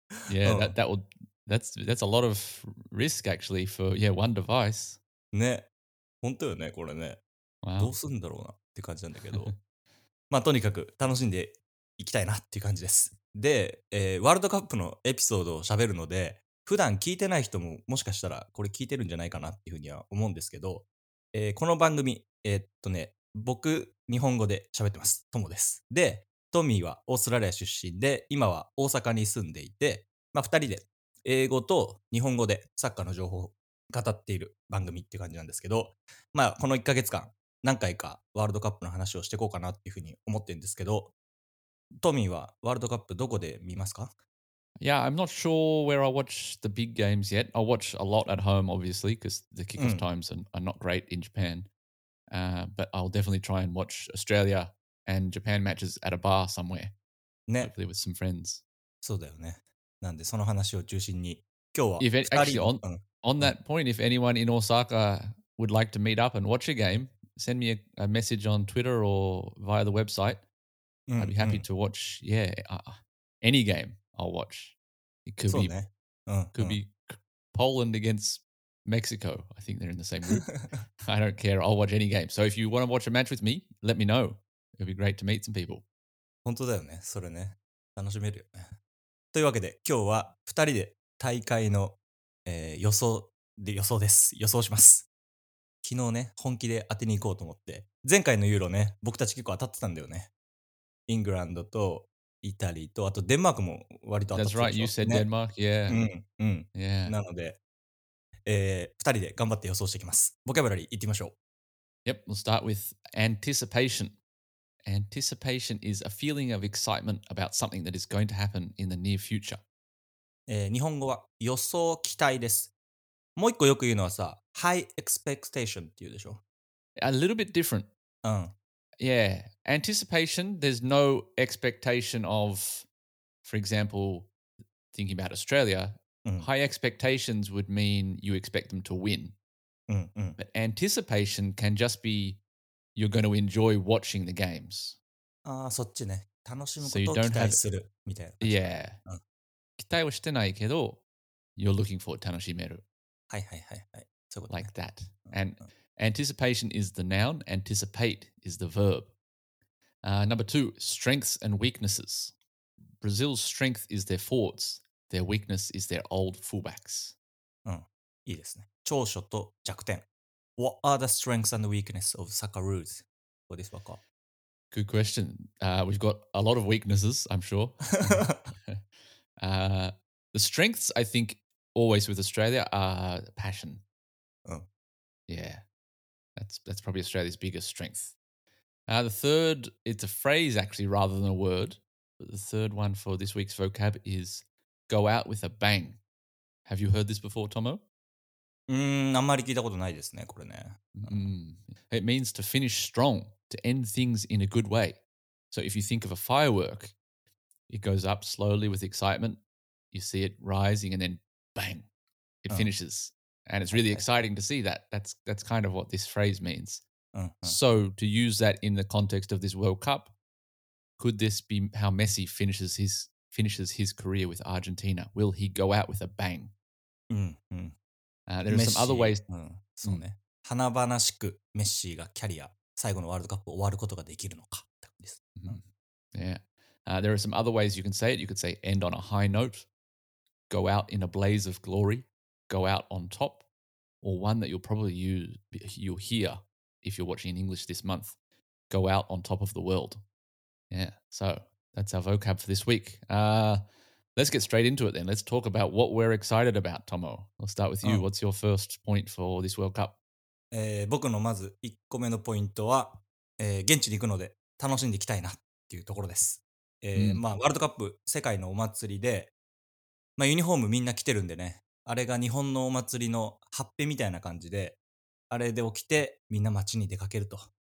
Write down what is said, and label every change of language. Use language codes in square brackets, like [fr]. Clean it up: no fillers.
[en] Yeah, that's a lot of risk actually for, yeah, one device. [ja] ね、本当よね、これね。 [en] Wow. [ja] どうすんだろうなって感じなんだけど。とにかく楽しんでいきたいなっていう感じです。で、ワールドカップのエピソードを喋るので、普段聞いてない人ももしかしたらこれ聞いてるんじゃないかなっていうふうには思うんですけど、この番組、僕、日本語で喋ってます。トモです。で、トミーはオーストラリア出身で、今は大阪に住んでいて、二人で英語と日本語でサッカーの情報を語っている番組って感じなんですけど、この1ヶ月間、何回かワールドカップの話をしていこうかなっていうふうに思ってるんですけど、トミーはワールドカップどこで見ますか？ [en] Yeah, I'm not sure where I watch the big games yet. I watch a lot at home, obviously, because the kickoff times are not great in Japan. But I'll definitely try and watch Australia and Japan matches at a bar somewhere. [ja] ね。 [en] Hopefully with some friends. [ja] そうだよね。なんでその話を中心に、今日は [en] Actually, on that point, if anyone in Osaka would like to meet up and watch a game, send me a message on Twitter or via the website. I'd be happy to watch, any game I'll watch. It could be, be Poland against Mexico. I think they're in the same group. I don't care. I'll watch any game. So if you want to watch a match with me, let me know. It'd be great to meet some people. [ja] 本当だよね。それね。楽しめるよね。というわけで、今日は2人で大会の、予想です。予想します。昨日ね、本気で当てに行こうと思って。前回のユーロね、僕たち結構当たってたんだよね。イングランドとイタリーと、あとデンマークも割と当たってたで [en] しょ。That's right. You said Denmark. Yeah. [ja] うん。うん。 [en] Yeah. [ja] なので、2人で頑張って予想していきます。ボキャブラリー行ってみましょう。 [en] Yep, we'll start with anticipation. Anticipation is a feeling of excitement about something that is going to happen in the near future. [ja] 日本語は予想期待です。もう一個よく言うのはさ、 [en] high expectation [ja] って言うでしょ。 [en] A little bit different. [ja] うん。 [en] Yeah, anticipation, there's no expectation of, for example, thinking about Australia,high expectations would mean you expect them to win. But anticipation can just be you're going to enjoy watching the games. [ja] ああ、そっちね。楽しむことを期待するみたいな。 [en] Yeah. [ja] 期待はしてないけど、 [en] you're looking for [ja] 楽しめる。はいはいはいはい。そういうこと [en] ね。Like that. And anticipation is the noun. Anticipate is the verb. Number two, strengths and weaknesses. Brazil's strength is their forwards. Their weakness is their old fullbacks. [ja] いいですね。長所と弱点。 [en] What are the strengths and weakness of Socceroos for this World Cup? Good question. We've got a lot of weaknesses, I'm sure. the strengths, I think, always with Australia are passion. Yeah. That's probably Australia's biggest strength. The third, it's a phrase actually rather than a word. But the third one for this week's vocab is...Go out with a bang. Have you heard this before, Tomo? [ja] あんまり聞いたことないですね、これね。 [en] It means to finish strong, to end things in a good way. So if you think of a firework, it goes up slowly with excitement. You see it rising and then bang, it finishes. And it's really exciting to see that. That's kind of what this phrase means. So to use that in the context of this World Cup, could this be how Messi finishes his career with Argentina? Will he go out with a bang? There are some other ways. [ja] そうね。華々しくメッシーがキャリア最後のワールドカップを終わることができるのかって感じです。 [en] There are some other ways you can say it. You could say end on a high note, go out in a blaze of glory, go out on top, or one that you'll probably you'll hear if you're watching in English this month, go out on top of the world. Yeah, so that's our vocab for this week. Let's get straight into it then. Let's talk about what we're excited about, Tomo. I'll start with you. What's your first point for this World Cup? [ja] 僕のまず1個目のポイントは、現地に行くので楽しんでいきたいなっていうところです。ワールドカップ、世界のお祭りで、ユニフォームみんな着てるんでね、あれが日本のお祭りのハッピーみたいな感じで、あれで起きてみんな街に出かけると。